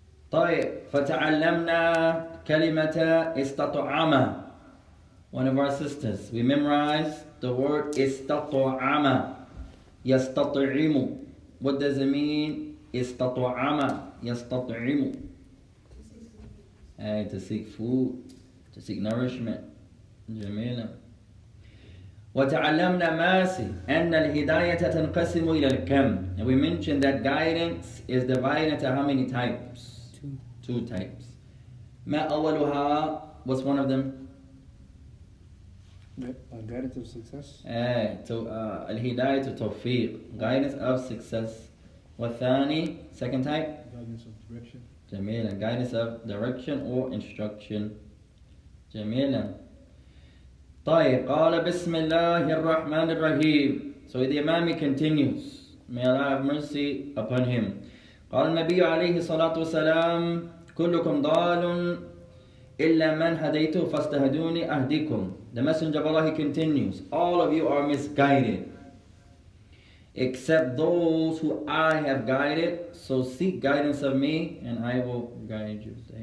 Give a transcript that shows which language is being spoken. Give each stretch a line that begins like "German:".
Arabic: طيب فتعلمنا كلمة استطعاما.
English: One of our sisters. We memorized the word استطعاما. يستطعم. What does it mean?
Arabic: استطعم يستطعم
English: to seek food, to seek nourishment. جميلة.
Arabic: وتعلمنا ماسي أن الهداية تنقسم إلى الكم.
English: And we mentioned that guidance is divided into how many types? Two types.
Arabic: ما أولها?
English: What's one of them? Guidance of success.
Arabic: الهداية توفيق.
English: Guidance of success. والثاني, second type? Guidance of direction.
Arabic: جميلا.
English: Guidance of direction or instruction.
Arabic: جميلا. طيب قال بسم الله الرحمن الرحيم.
English: So the imam continues. May Allah have mercy upon him. قال النبي عليه الصلاة والسلام كلكم ضال إلا من هديته فاستهدوني أهديكم. The messenger of Allah continues. All of you are misguided except those who I have guided. So seek guidance of me and I will guide you.